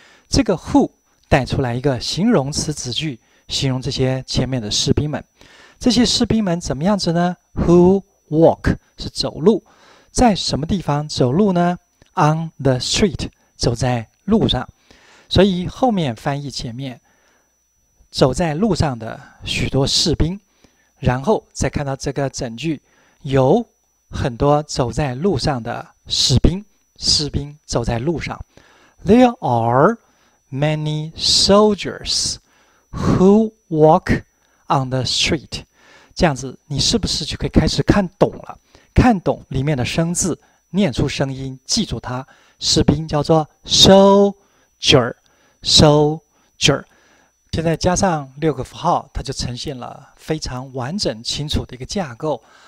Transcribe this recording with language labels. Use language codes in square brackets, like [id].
[zh] 这个 who 带出来一个形容词子句，形容这些前面的士兵们，这些士兵们怎么样子呢？Who Walk 是走路，在什么地方走路呢？ [en] On the street [zh] 走在路上，所以后面翻译前面走在路上的许多士兵，然后再看到这个整句，有很多走在路上的士兵，士兵走在路上。 [en] There are many soldiers who walk on the street. [zh] 这样子，你是不是就可以开始看懂了？看懂里面的生字，念出声音，记住它。士兵叫做 soldier, soldier。现在加上六个符号，它就呈现了非常完整清楚的一个架构。